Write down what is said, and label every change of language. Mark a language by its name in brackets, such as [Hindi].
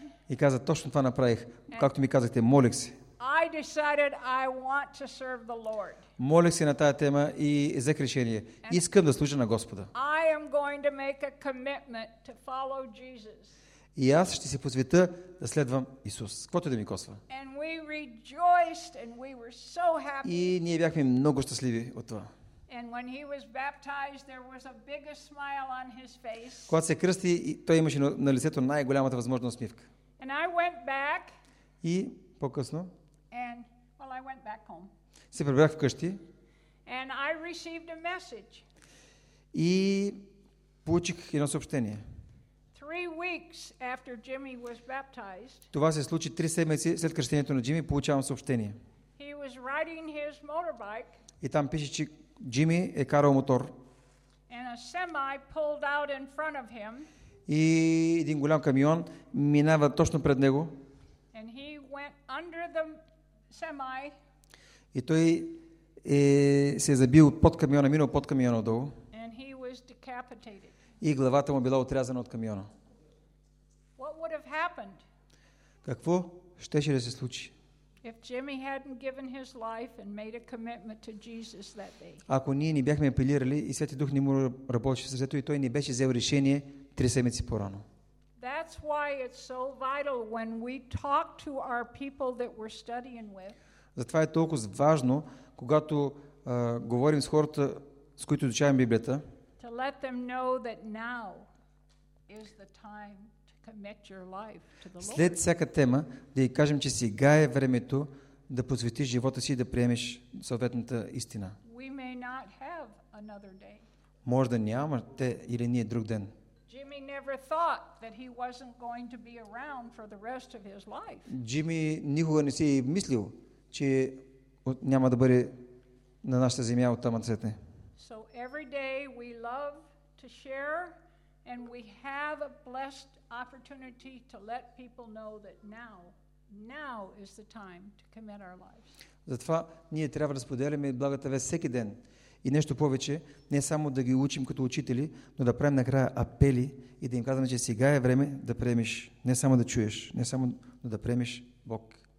[Bulgarian] И каза, точно това направих, както ми казахте, молих се. [English] I decided I want to serve the Lord. [Bulgarian] Молих се на тая тема и взех решение. Искам да служа на Господа. [English] I am going to make a commitment to follow Jesus. [Bulgarian] И аз ще се посветя да следвам Исус. Каквото да ми косва. [English] And we rejoiced and we were so happy. [Bulgarian] И ние бяхме много щастливи от това. [English] And when he was baptized, there was a biggest smile on his face. [Bulgarian] Когато се кръсти, той имаше на лицето най-голямата възможна усмивка. [English] And I went back. [Bulgarian] И по-късно. [English] And, well, I went back home. [Bulgarian] Се прибрах вкъщи. [English] And I received a message. [Bulgarian] И получих едно съобщение. [English] 3 weeks after Jimmy was baptized. [Bulgarian] Това се случи 3 седмици след кръщението на Джимми, получавам съобщение. [English] He was riding his motorbike. [Bulgarian] И там пише, че Джимми е карал мотор. [English] And a semi pulled out in front of him. [Bulgarian] И един голям камион минава точно пред него. [English] And he went under the semi. [Bulgarian] И той се е забил под камиона, минал под камиона отдолу. [English] And he was decapitated. [Bulgarian] И главата му била отрязана от камиона. [English] What would have happened? [Bulgarian] Какво щеше да се случи? [English] If Jimmy hadn't given his life and made a commitment to Jesus that day. [Bulgarian] Ако ние не бяхме апелирали и Святи Дух не му работеше сърцето и той не беше взел решение 3 седмици по-рано. [English] That's why it's so vital when we talk to our people that we're studying with. [Bulgarian] Затова е толкова важно, когато говорим с хората, с които изучаваме Библията. [English] To let them know that now is the time to commit your life to the Lord. [Bulgarian] След всяка тема да ѝ кажем, че сега е времето да посветиш живота си и да приемеш съответната истина. [English] We may not have another day. [Bulgarian] Може да няма те или ние друг ден. [English] Jimmy never thought that he wasn't going to be around for the rest of his life. [Bulgarian] Джимми никога не си мислил, че няма да бъде на нашата земя от тама цвете. [English] So every day we love to share and we have a blessed opportunity to let people know that now is the time to commit our lives. [Bulgarian] Затова ние трябва да споделяме благата вест всеки ден. И нещо повече, не само да ги учим като учители, но да правим накрая апели и да им казваме, че сега е време да приемеш, не само да чуеш, не само, но да приемеш Бог.